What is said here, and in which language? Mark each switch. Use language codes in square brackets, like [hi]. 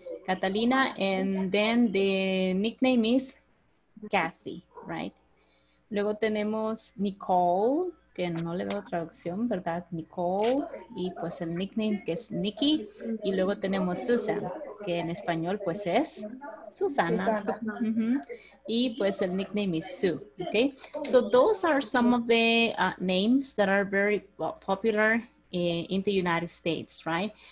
[en] Catalina, and then the nickname is Kathy, right? [es] Luego tenemos Nicole, que no le veo traducción, ¿verdad? Nicole, y pues el nickname que es Nikki. Y luego tenemos Susan, que en español pues es Susana. Uh-huh. Y pues el nickname is Sue, okay? [en] So those are some of the names that are very popular in the United States, right?